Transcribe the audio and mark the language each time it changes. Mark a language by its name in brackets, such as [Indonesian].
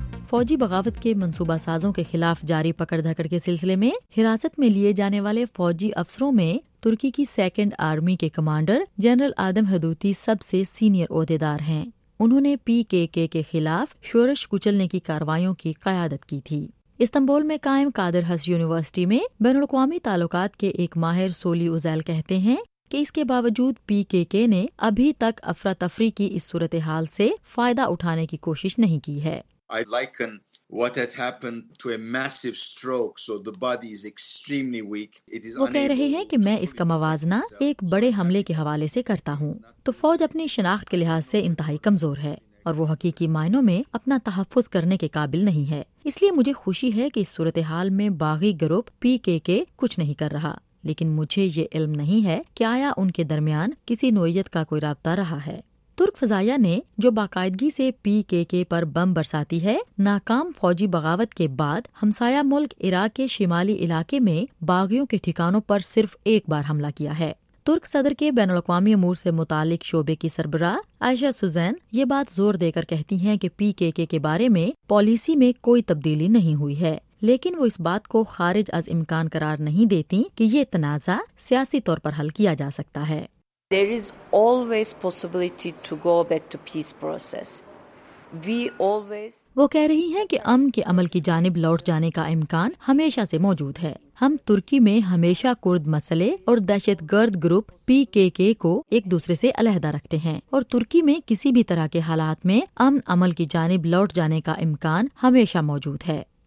[Urdu] فوجی بغاوت کے منصوبہ سازوں کے خلاف جاری پکڑ دھکڑ کے سلسلے میں حراست میں لیے جانے والے فوجی افسروں میں ترکی کی سیکنڈ آرمی کے کمانڈر جنرل آدم ہدوتی سب سے سینئر عہدیدار ہیں۔ انہوں نے پی کے کے کے خلاف شورش کچلنے کی کاروائیوں کی قیادت کی تھی۔ استنبول میں قائم قادر حس یونیورسٹی میں بین الاقوامی تعلقات کے ایک ماہر سولی ازیل کہتے ہیں کہ اس کے باوجود پی کے کے نے ابھی تک افراتفری کی اس صورتحال سے فائدہ اٹھانے کی کوشش نہیں کی ہے۔ [English] I liken what had happened to a massive stroke, so the body is extremely weak. It is [Urdu] وہ کہہ رہے ہیں کہ میں اس کا موازنہ ایک بڑے حملے کے حوالے سے کرتا ہوں، تو فوج اپنی شناخت کے لحاظ سے انتہائی کمزور ہے اور وہ حقیقی معنوں میں اپنا تحفظ کرنے کے قابل نہیں ہے۔ اس لیے مجھے خوشی ہے کہ اس صورتحال میں باغی گروپ پی کے کے کچھ نہیں کر رہا، لیکن مجھے یہ علم نہیں ہے کہ آیا ان کے درمیان کسی نوعیت کا کوئی رابطہ رہا ہے۔ ترک فضائیہ نے، جو باقاعدگی سے پی کے کے پر بم برساتی ہے، ناکام فوجی بغاوت کے بعد ہمسایہ ملک عراق کے شمالی علاقے میں باغیوں کے ٹھکانوں پر صرف ایک بار حملہ کیا ہے۔ ترک صدر کے بین الاقوامی امور سے متعلق شعبے کی سربراہ عائشہ سوزین یہ بات زور دے کر کہتی ہیں کہ پی کے کے بارے میں پالیسی میں کوئی تبدیلی نہیں ہوئی ہے، لیکن وہ اس بات کو خارج از امکان قرار نہیں دیتی کہ یہ تنازع سیاسی طور پر حل کیا جا سکتا ہے۔ [English] There is always possibility to go back to peace process. We always [Urdu] وہ کہہ رہی ہیں کہ امن کے عمل کی جانب لوٹ جانے کا امکان ہمیشہ سے موجود ہے۔ ہم ترکی میں ہمیشہ کرد مسئلے اور دہشت گرد گروپ پی کے کے کو ایک دوسرے سے علیحدہ رکھتے ہیں، اور ترکی میں کسی بھی طرح کے حالات میں امن عمل کی جانب لوٹ جانے کا امکان ہمیشہ موجود ہے۔